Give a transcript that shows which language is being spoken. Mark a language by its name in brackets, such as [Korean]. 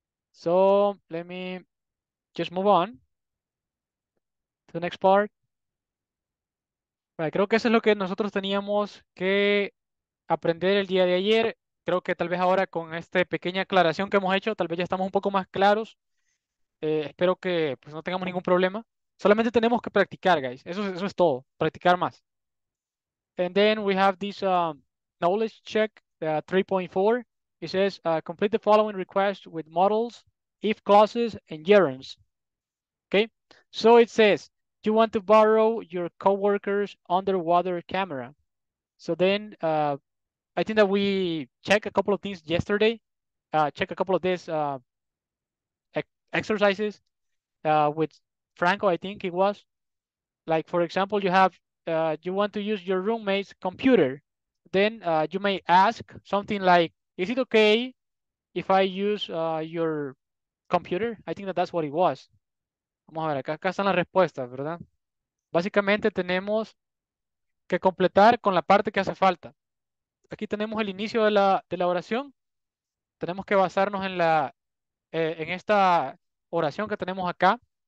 [English] So let me just move on to the next part. [Spanish] Right, creo que eso es lo que nosotros teníamos que aprender el día de ayer. Creo que tal vez ahora con esta pequeña aclaración que hemos hecho, tal vez ya estamos un poco más claros. Espero que pues, no tengamos ningún problema. Solamente tenemos que practicar, guys. Eso es todo, practicar más. [English] And then we have this knowledge check, 3.4. It says, complete the following request with models, if clauses, and gerunds. Okay, so it says, do you want to borrow your coworker's underwater camera? So then, I think that we checked a couple of things yesterday, checked a couple of these exercises with Franco, I think it was. Like, for example, you have, you want to use your roommate's computer. Then you may ask something like, is it okay if I use your computer? I think that that's what it was. [Spanish] Vamos a ver, acá están las respuestas, ¿verdad? Básicamente tenemos que completar con la parte que hace falta. Aquí tenemos el inicio de la oración. Tenemos que basarnos en esta oración que tenemos acá.